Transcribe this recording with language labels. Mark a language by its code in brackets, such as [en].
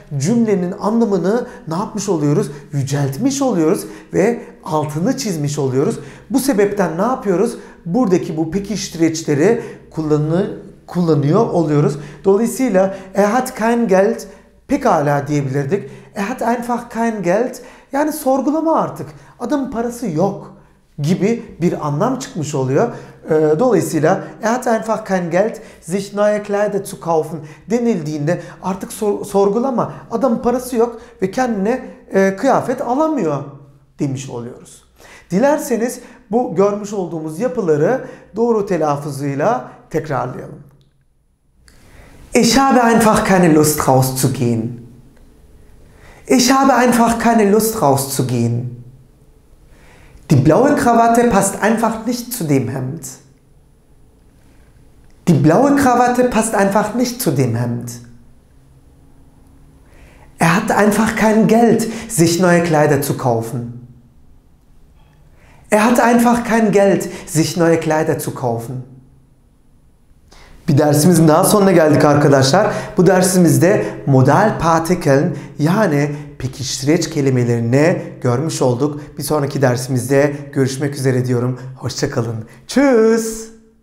[tr] Cümlenin anlamını ne yapmış oluyoruz? Yüceltmiş oluyoruz ve altını çizmiş oluyoruz. Bu sebepten ne yapıyoruz? Buradaki bu pekiştireçleri kullanıyor oluyoruz. Dolayısıyla [de] er hat kein Geld [tr] pekala diyebilirdik. [de] Er hat einfach kein Geld [tr] yani sorgulama artık. Adamın parası yok gibi bir anlam çıkmış oluyor. Dolayısıyla [de] er hat einfach kein Geld sich neue Kleider zu kaufen [tr] denildiğinde artık sorgulama adamın parası yok ve kendine kıyafet alamıyor demiş oluyoruz. Dilerseniz bu görmüş olduğumuz yapıları doğru telaffuzuyla tekrarlayalım. [de] Ich habe einfach keine Lust rauszugehen. Ich habe einfach keine Lust rauszugehen. Die blaue Krawatte passt einfach nicht zu dem Hemd. Die blaue Krawatte passt einfach nicht zu dem Hemd. Er hat einfach kein Geld, sich neue Kleider zu kaufen. Er hat einfach kein Geld, sich neue Kleider zu kaufen. [tr] Bir dersimizin daha sonuna geldik arkadaşlar. Bu dersimizde modal partikeln yani pekiştireç kelimelerini görmüş olduk. Bir sonraki dersimizde görüşmek üzere diyorum. Hoşça kalın. [de] Tschüss.